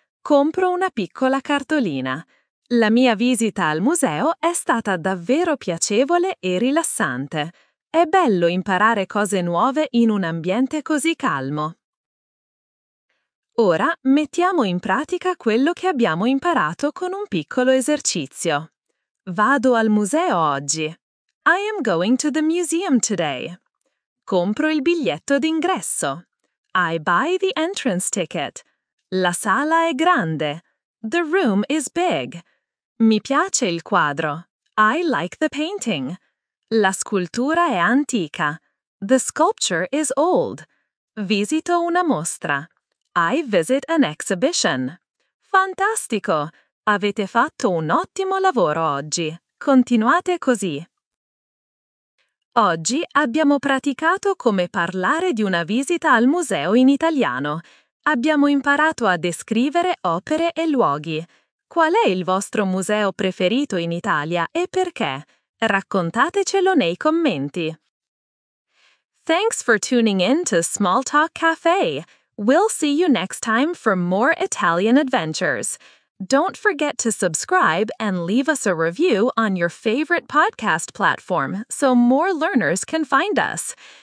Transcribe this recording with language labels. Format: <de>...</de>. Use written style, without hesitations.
<it>Compro una piccola cartolina. La mia visita al museo è stata davvero piacevole e rilassante. È bello imparare cose nuove in un ambiente così calmo. Ora mettiamo in pratica quello che abbiamo imparato con un piccolo esercizio. Vado al museo oggi.</it> <en>I am going to the museum today.</en> <it>Compro il biglietto d'ingresso.</it> <en>I buy the entrance ticket.</en> <it>La sala è grande.</it> <en>The room is big.</en> <it>Mi piace il quadro.</it> <en>I like the painting.</en> <it>La scultura è antica.</it> <en>The sculpture is old.</en> <it>Visito una mostra.</it> <en>I visit an exhibition.</en> <it>Fantastico! Avete fatto un ottimo lavoro oggi. Continuate così. Oggi abbiamo praticato come parlare di una visita al museo in italiano. Abbiamo imparato a descrivere opere e luoghi. Qual è il vostro museo preferito in Italia e perché? Raccontatecelo nei commenti.</it> <en>Thanks for tuning in to Small Talk Cafe. We'll see you next time for more Italian adventures. Don't forget to subscribe and leave us a review on your favorite podcast platform so more learners can find us.</en>